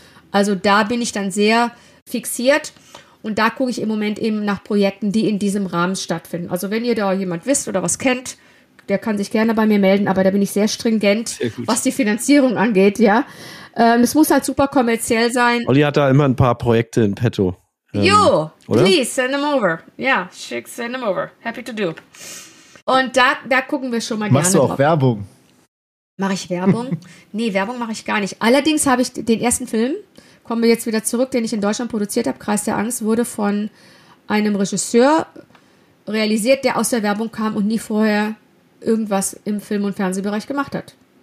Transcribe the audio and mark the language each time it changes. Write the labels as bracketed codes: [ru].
[de] Also da bin ich dann sehr fixiert. Und da gucke ich im Moment eben nach Projekten, die in diesem Rahmen stattfinden. Also wenn ihr da jemand wisst oder was kennt, der kann sich gerne bei mir melden, aber da bin ich sehr stringent, sehr was die Finanzierung angeht, ja. Es muss halt super kommerziell sein. Olli hat da immer ein paar Projekte in petto. [en] Jo, please, send them over. Ja, send them over. Happy to do. [de] Und da gucken wir schon mal gerne drauf. Machst du auch Werbung? Mache ich Werbung? Nee, Werbung mache ich gar nicht. Allerdings habe ich den ersten Film, kommen wir jetzt wieder zurück, den ich in Deutschland produziert habe, Kreis der Angst, wurde von einem Regisseur realisiert, der aus der Werbung kam und nie vorher irgendwas im Film- und Fernsehbereich gemacht hat.